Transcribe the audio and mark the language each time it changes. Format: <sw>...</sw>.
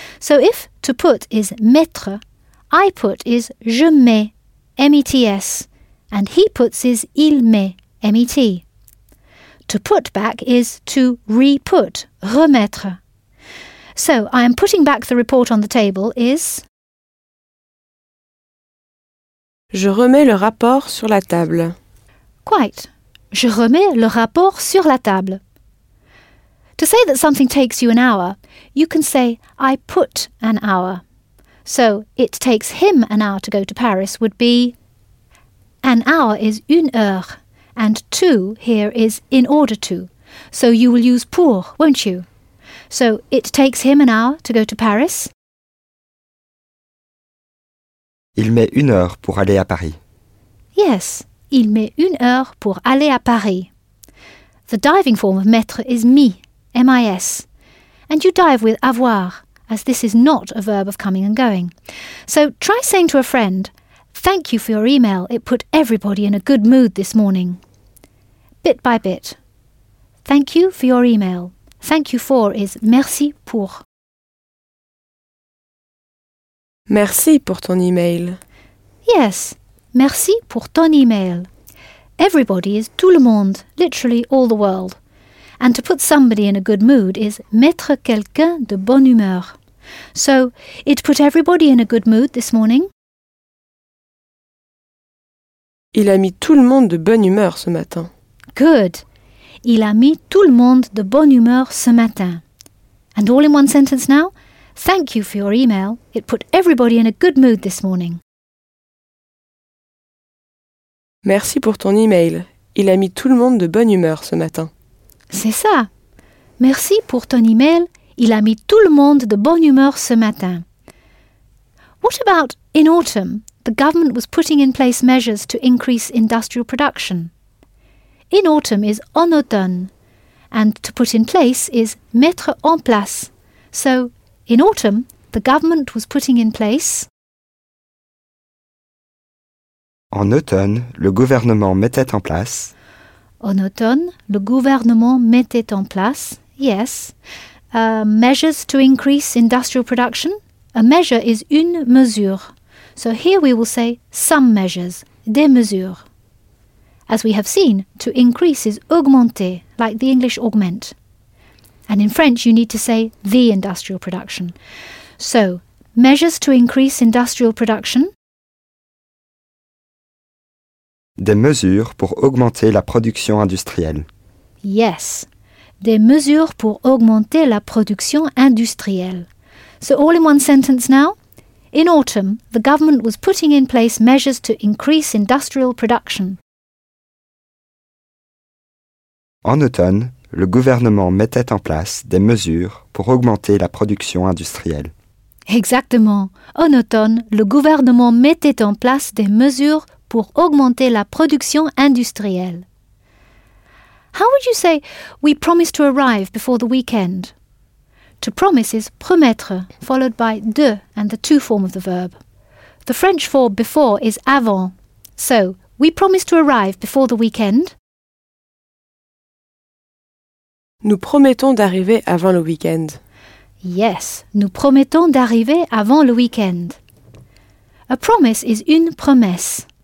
<en>So if to put is mettre, I put is</en> <fr>je mets,</fr> <en>M-E-T-S, and he puts is</en> <fr>il met,</fr> <en>M-E-T. To put back is to re-put, remettre. So, I am putting back the report on the table is...</en> <fr>Je remets le rapport sur la table.</fr> <en>Quite.</en> <fr>Je remets le rapport sur la table.</fr> <en>To say that something takes you an hour, you can say I put an hour. So, it takes him an hour to go to Paris would be... An hour is</en> <fr>une heure,</fr> <en>and to here is in order to. So you will use pour, won't you? So it takes him an hour to go to Paris.</en> <fr>Il met une heure pour aller à Paris. Yes, il met une heure pour aller à Paris.</fr> <en>The diving form of mettre is mis, M-I-S. And you dive with avoir, as this is not a verb of coming and going. So try saying to a friend, thank you for your email. It put everybody in a good mood this morning. Bit by bit. Thank you for your email. Thank you for is</en> <fr>merci pour. Merci pour ton email. Yes, merci pour ton email.</fr> <en>Everybody is</en> <fr>tout le monde,</fr> <en>literally all the world. And to put somebody in a good mood is</en> <fr>mettre quelqu'un de bonne humeur.</fr> <en>So, it put everybody in a good mood this morning.</en> <fr>Il a mis tout le monde de bonne humeur ce matin.</fr> <en>Good.</en> <fr>Il a mis tout le monde de bonne humeur ce matin.</fr> <en>And all in one sentence now? Thank you for your email. It put everybody in a good mood this morning.</en> <fr>Merci pour ton email. Il a mis tout le monde de bonne humeur ce matin. C'est ça. Merci pour ton email. Il a mis tout le monde de bonne humeur ce matin.</fr> <en>What about in autumn? The government was putting in place measures to increase industrial production. In autumn is</en> <fr>en automne,</fr> <en>and to put in place is</en> <fr>mettre en place.</fr> <en>So, in autumn, the government was putting in place...</en> <fr>En automne, le gouvernement mettait en place... En automne, le gouvernement mettait en place, yes.</fr> <en>Measures to increase industrial production. A measure is</en> <fr>une mesure.</fr> <en>So here we will say some measures,</en> <fr>des mesures.</fr> <en>As we have seen, to increase is augmenter, like the English augment. And in French, you need to say the industrial production. So, measures to increase industrial production.</en> <fr>Des mesures pour augmenter la production industrielle. Yes, des mesures pour augmenter la production industrielle.</fr> <en>So all in one sentence now. In autumn, the government was putting in place measures to increase industrial production.</en> <fr>En automne, le gouvernement mettait en place des mesures pour augmenter la production industrielle. Exactement. En automne, le gouvernement mettait en place des mesures pour augmenter la production industrielle.</fr> <en>How would you say we promise to arrive before the weekend? To promise is promettre, followed by de and the to form of the verb. The French for before is avant. So, we promise to arrive before the weekend.</en> <fr>Nous promettons d'arriver avant le weekend. Yes, nous promettons d'arriver avant le weekend.</fr> <en>A promise is</en> <fr>une promesse.</fr>